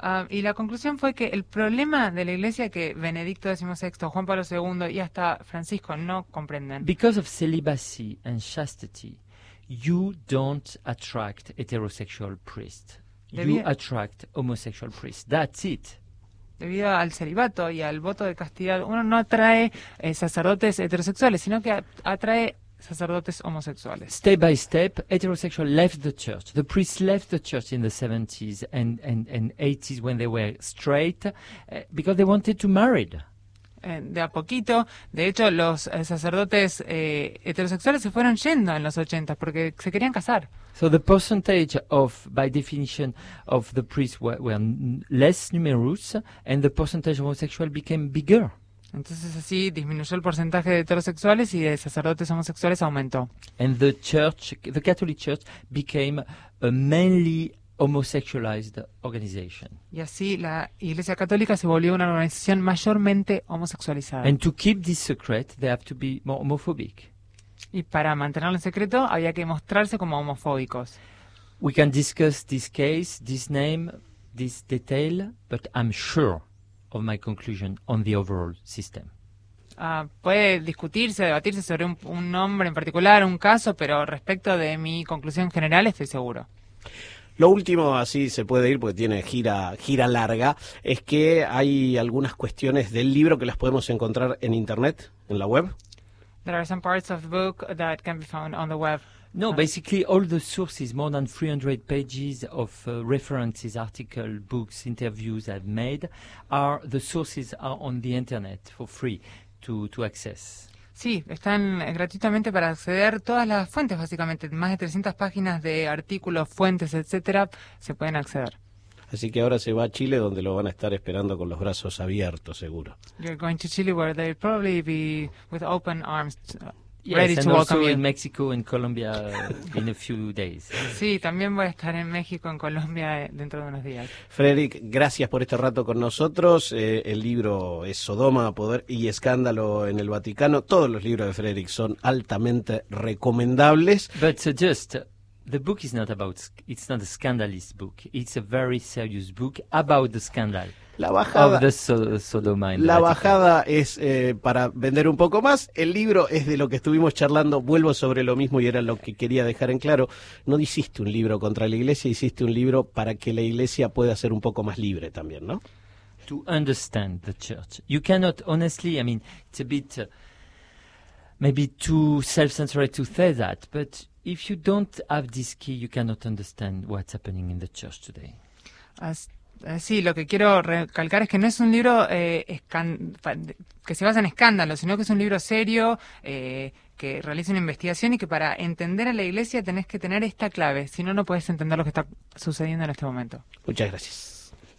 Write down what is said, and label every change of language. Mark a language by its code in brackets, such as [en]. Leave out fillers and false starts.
[es] Y la conclusión fue que el problema de la Iglesia que Benedicto XVI, Juan Pablo II y hasta Francisco no comprenden. [en] Because of celibacy and chastity, you don't attract heterosexual priests. You attract homosexual priests. That's it. [es] Debido al celibato y al voto de castidad, uno no atrae sacerdotes heterosexuales, sino que atrae sacerdotes homosexuales. [en] Step by step, heterosexual left the church. The priests left the church in the 70s and 80s when they were straight because they wanted to marry. [es] De a poquito. De hecho, los sacerdotes heterosexuales se fueron yendo en los 80 porque se querían casar. [en] So the percentage of, by definition, of the priests were less numerous, and the percentage of homosexual became bigger. [es] Entonces así disminuyó el porcentaje de heterosexuales y de sacerdotes homosexuales aumentó. [en] And the church, the Catholic Church, became a mainly homosexualized organization. [es] Y así la Iglesia Católica se volvió una organización mayormente homosexualizada. [en] And to keep this secret, they have to be more homophobic. [es] Y para mantenerlo en secreto, había que mostrarse como homofóbicos. [en] We can discuss this case, this name, this detail, but I'm sure of my conclusion on the overall system. [es] Puede discutirse, debatirse sobre un nombre en particular, un caso, pero respecto de mi conclusión general estoy seguro. Lo último, así se puede ir porque tiene gira larga, es que hay algunas cuestiones del libro que las podemos encontrar en internet, en la web. [en] There are some parts of the book that can be found on the web. No, basically all the sources, more than 300 pages of references, articles, books, interviews I've made, are the sources are on the internet for free to access. [es] Sí, están gratuitamente para acceder todas las fuentes, básicamente más de 300 páginas de artículos, fuentes, etcétera, se pueden acceder. Así que ahora se va a Chile, donde lo van a estar esperando con los brazos abiertos, seguro. [en] You're going to Chile, where they'll probably be with open arms. Yes, ready and to welcome also you. In Mexico and Colombia in a few days. [es] Sí, también voy a estar en México, en Colombia dentro de unos días. Frederick, gracias por este rato con nosotros. El libro es Sodoma, Poder y Escándalo en el Vaticano. Todos los libros de Frederick son altamente recomendables. [en] But just, the book is not about, it's not a scandalous book. It's a very serious book about the scandal. [es] La bajada, [en] of the Sodoma [es] la bajada es para vender un poco más. El libro es de lo que estuvimos charlando. Vuelvo sobre lo mismo y era lo que quería dejar en claro. No hiciste un libro contra la iglesia, hiciste un libro para que la iglesia pueda ser un poco más libre también, ¿no? [en] To understand the church. You cannot, honestly, I mean, it's a bit, maybe too self-centered to say that, but if you don't have this key, you cannot understand what's happening in the church today. [es] Sí, lo que quiero recalcar es que no es un libro que se basa en escándalos, sino que es un libro serio, que realiza una investigación y que para entender a la iglesia tenés que tener esta clave, si no, no puedes entender lo que está sucediendo en este momento. Muchas gracias.